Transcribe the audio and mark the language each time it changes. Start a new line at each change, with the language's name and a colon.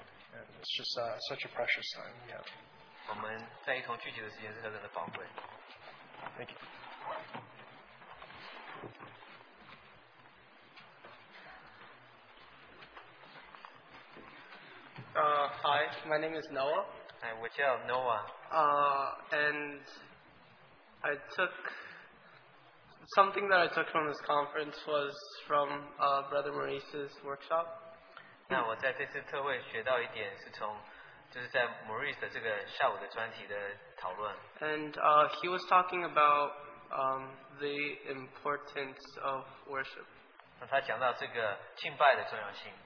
English: It's just such a precious time we have.
Chinese: 我们在一同聚集的时间是何等的宝贵。
English: Thank you. Hi, my name is Noah.
Chinese: Hi, 我叫 Noah.
English: And I took something that I took from this conference was from Brother Maurice's workshop.
Chinese: 那我在这次特会学到一点是从，就是在 Maurice 的这个下午的专题的讨论。
English: And he was talking about the importance of worship.
Chinese: 那他讲到这个敬拜的重要性。